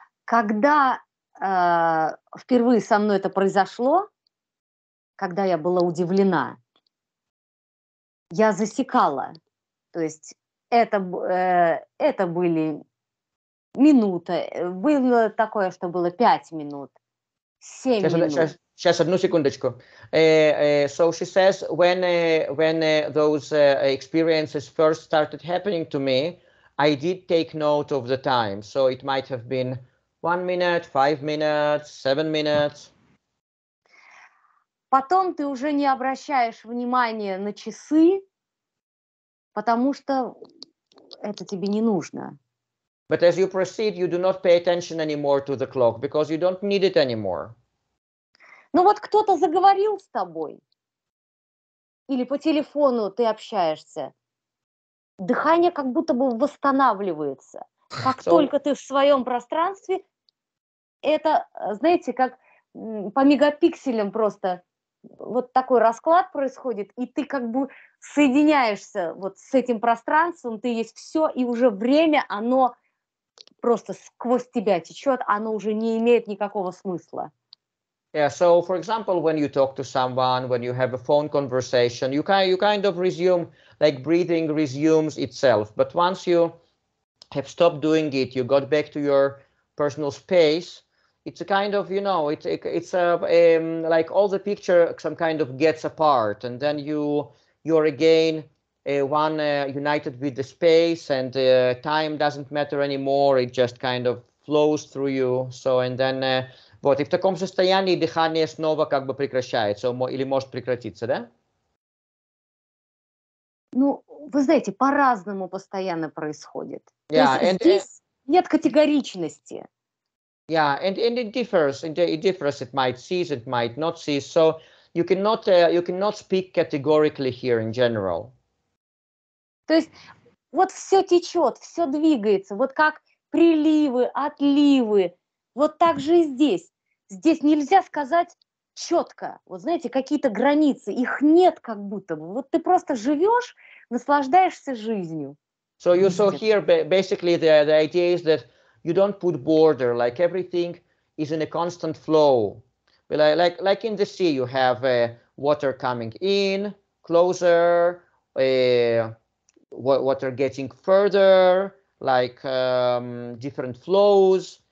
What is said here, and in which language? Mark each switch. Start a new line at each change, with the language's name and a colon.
Russian: Когда впервые со мной это произошло, когда я была удивлена, я засекала. То есть это были минуты. Было такое, что было 5 минут, 7 минут. Сейчас, одну секундочку.
English: So she says, when those experiences first started happening to me, I did take note of the time. So it might have been 1 minute, 5 minutes, 7 minutes.
Russian: Потом ты уже не обращаешь внимания на часы, потому что это тебе не нужно.
English: But as you proceed, you do not pay attention anymore to the clock, because you don't need it anymore.
Russian: Ну вот кто-то заговорил с тобой, или по телефону ты общаешься, дыхание как будто бы восстанавливается. Как только ты в своем пространстве, это, знаете, как по мегапикселям просто вот такой расклад происходит, и ты как бы соединяешься вот с этим пространством, ты есть все, и уже время, оно просто сквозь тебя течет, оно уже не имеет никакого смысла.
English: Yeah, so, for example, when you talk to someone, when you have a phone conversation, you kind of resume, like breathing resumes itself. But once you have stopped doing it, you got back to your personal space, it's a kind of, you know, it's like all the picture some kind of gets apart, and then you're again united with the space, and time doesn't matter anymore, it just kind of flows through you. So, and then...
Russian: Вот, и в таком состоянии дыхание снова как бы прекращается, или может прекратиться, да? Ну, вы знаете, по-разному постоянно происходит.
English: Yeah,
Russian: то есть здесь нет категоричности.
English: Yeah, and it differs. It differs. It might cease, it might not cease. So you cannot speak categorically here in general.
Russian: То есть вот все течет, все двигается, вот как приливы, отливы. Вот так же и здесь. Здесь нельзя сказать четко. Вот знаете, какие-то границы, их нет как будто бы. Вот ты просто живешь, наслаждаешься жизнью.
English: So you saw here basically the idea is that you don't put border, like everything is in a constant flow. Like in the sea, you have water coming in, closer, water getting further, like different flows.